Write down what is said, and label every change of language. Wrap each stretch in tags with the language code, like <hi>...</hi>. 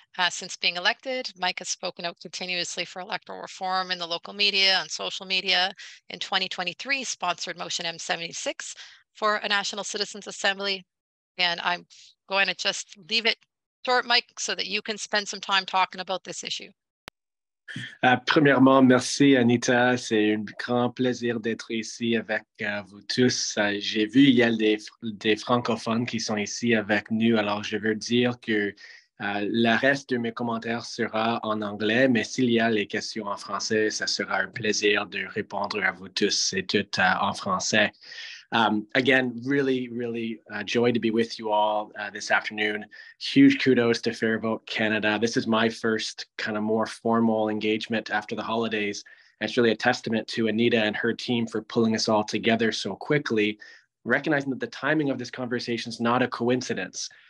<en>Since being elected, Mike has spoken out continuously for electoral reform in the local media and social media. In 2023, sponsored Motion M76 for a National Citizens Assembly. And I'm going to just leave it short, Mike, so that you can spend some time talking about this issue.</en> <fr>Premièrement, merci Anita. C'est un grand plaisir d'être ici avec vous tous. J'ai vu il y a des francophones qui sont ici avec nous. Alors, je veux dire que le reste de mes commentaires sera en anglais, mais s'il y a les questions en français, ça sera un plaisir de répondre à vous tous et toutes en français.</fr> <en>Again, really, really joy to be with you all this afternoon. Huge kudos to Fair Vote Canada. This is my first kind of more formal engagement after the holidays. And it's really a testament to Anita and her team for pulling us all together so quickly, recognizing that the timing of this conversation is not a coincidence.</en>